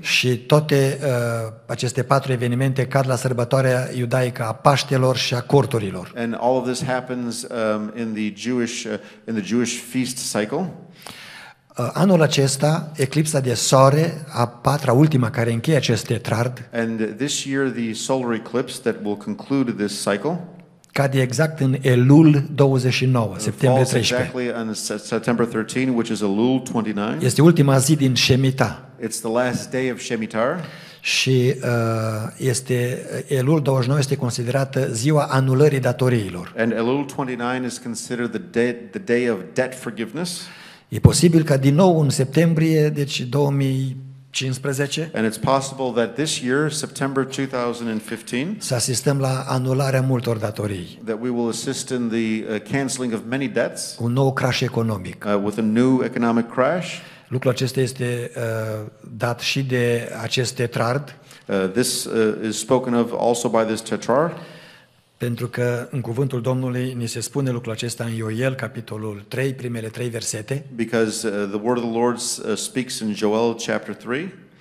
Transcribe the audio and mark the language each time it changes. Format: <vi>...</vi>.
<ro>Și toate aceste patru evenimente cad la sărbătoarea iudaică a Paștelor și a Corturilor.</ro> <en>And all of this happens in the Jewish feast cycle.</en> <ro>Anul acesta, eclipsa de soare, a patra, ultima care încheie acest tetrard.</ro> <en>And this year the solar eclipse that will conclude this cycle.</en> <ro>Cade exact în Elul 29, septembrie 13.</ro> <en>Falls exactly on September 13, which is Elul 29.</en> <ro>Este ultima zi din Shemitah.</ro> <en>It's the last day of Shemitah.</en> <ro>Și este Elul 29 este considerată ziua anulării datoriilor.</ro> <en>And Elul 29 is considered the day of debt forgiveness.</en> <ro>E posibil ca din nou în septembrie, deci 2015.</ro> <en>And it's possible that this year, September 2015,</en> <ro>să asistăm la anularea multor datorii.</ro> <en>That we will assist in the canceling of many debts.</en> <ro>Un nou crash economic.</ro> <en>With a new economic crash.</en> <ro>Lucrul acesta este dat și de acest tetrard.</ro> <en>This is spoken of also by this tetrarch.</en> <ro>Pentru că în cuvântul Domnului ni se spune lucrul acesta în Ioel capitolul 3, primele 3 versete.</ro> <en>Because the word of the Lord speaks in Joel chapter 3.</en>